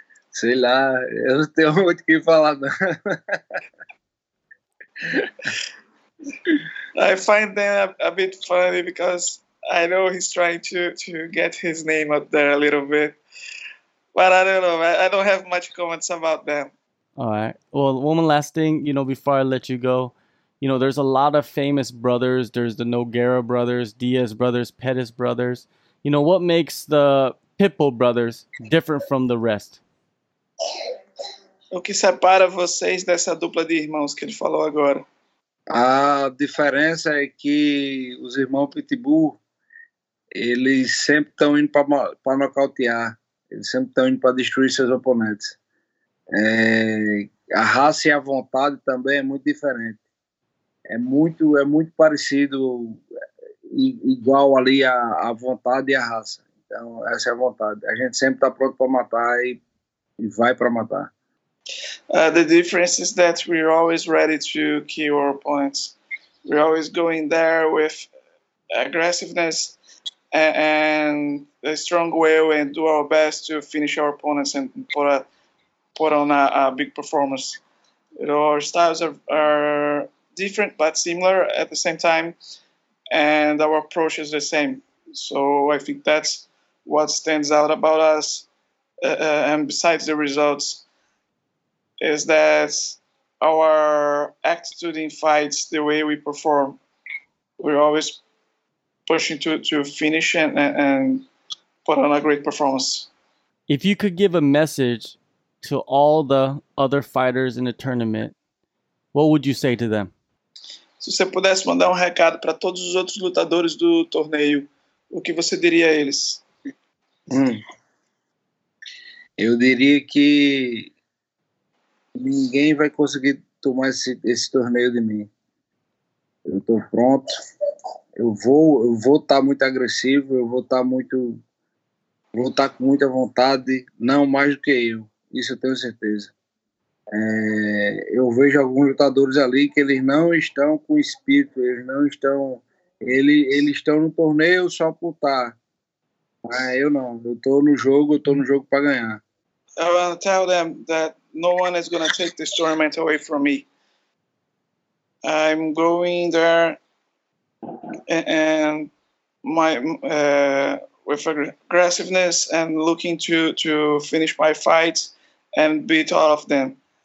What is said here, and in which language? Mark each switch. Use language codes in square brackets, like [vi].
[pt] Sei lá, eu não tenho muito o que falar, não. [en] I find that a bit funny, because I know he's trying to get his name out there a little bit. But I don't know, I don't have much comments about them. All right. Well, one last thing, you know, before I let you go, you know, there's a lot of famous brothers. There's the Nogueira brothers, Diaz brothers, Pettis brothers. You know, what makes the Pitbull brothers different from the rest? [pt] O que separa vocês dessa dupla de irmãos que ele falou agora? A diferença é que os irmãos Pitbull, eles sempre estão indo para nocautear. Eles sempre estão indo para destruir seus oponentes. A raça e a vontade também é muito diferente. É muito parecido, igual ali a vontade e a raça. Então, essa é a vontade. A gente sempre está pronto para matar e vai para matar. [en] The difference is that we're always ready to kill our opponents. We're always going there with aggressiveness and a strong will and do our best to finish our opponents and put on a big performance. You know, our styles are different but similar at the same time, and our approach is the same. So I think that's what stands out about us. And besides the results, is that our attitude in fights, the way we perform, we're always pushing to finish and put on a great performance. If you could give a message to all the other fighters in the tournament, what would you say to them? [pt] Se você pudesse mandar um recado para todos os outros lutadores do torneio, o que você diria a eles? Eu diria que ninguém vai conseguir tomar esse torneio de mim. Eu estou pronto. Eu vou estar muito agressivo, eu vou estar com muita vontade, não mais do que eu. Isso eu tenho certeza. Eu vejo alguns lutadores ali que eles não estão com espírito, eles não estão... Eles estão no torneio só por estar. Mas eu não, eu estou no jogo para ganhar. [en] I want to tell them that no one is going to take this tournament away from me. I'm going there and my with aggressiveness and looking to finish my fights and beat all of them.